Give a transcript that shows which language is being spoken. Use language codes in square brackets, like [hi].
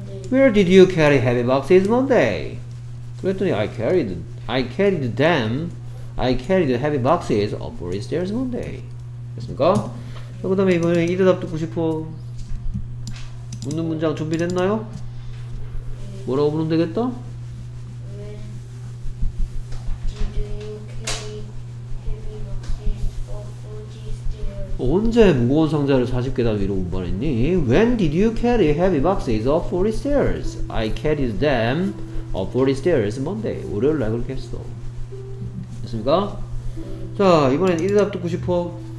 [en] Where did you carry heavy boxes Monday? [ko] 그랬더니 [en] I carried them. I carried heavy boxes up the stairs Monday. [ko] 됐습니까? 자, 그 다음에 이번에 이 대답 듣고 싶어. 묻는 문장 준비됐나요? 뭐라고 부르면 되겠다? [en] When did you carry heavy boxes up the stairs? [ko] 언제 무거운 상자를 40계단 위로 운반했니? [en] When did you carry heavy boxes up the stairs? I carried them up the stairs Monday. [ko] 월요일 날 그렇게 했어. 됐습니까? 자, 이번엔 이 대답 듣고 싶어.